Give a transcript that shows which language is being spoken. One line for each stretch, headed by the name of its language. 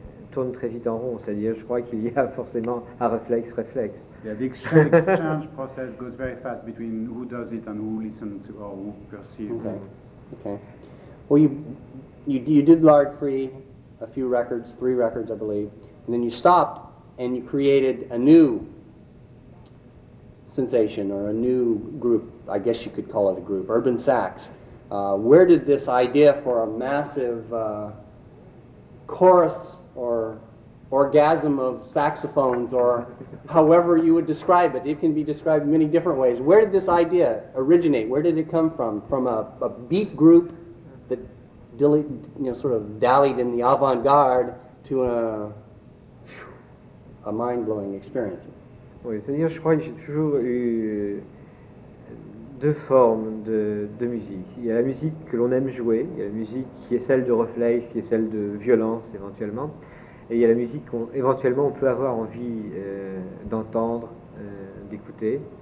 French: tourne très vite en rond, c'est-à-dire je crois qu'il y a forcément un réflexe, réflexe.
English: Yeah, the exchange process goes very fast between who does it and who listens to or who perceives okay. it. Okay. Well, you did Lard Free, a few records, three records, I believe, and then you stopped and you created a new sensation or a new group, I guess you could call it a group, Urban Sax. Where did this idea for a massive chorus or orgasm of saxophones or however you would describe it, it can be described many different ways. Where did this idea originate? Where did it come from? From a beat group that dallied in the avant-garde to a mind-blowing experience.
French: Oui, c'est-à-dire, je crois que j'ai toujours eu deux formes de musique. Il y a la musique que l'on aime jouer, il y a la musique qui est celle de reflex, qui est celle de violence éventuellement, et il y a la musique qu'éventuellement on peut avoir envie d'entendre, d'écouter.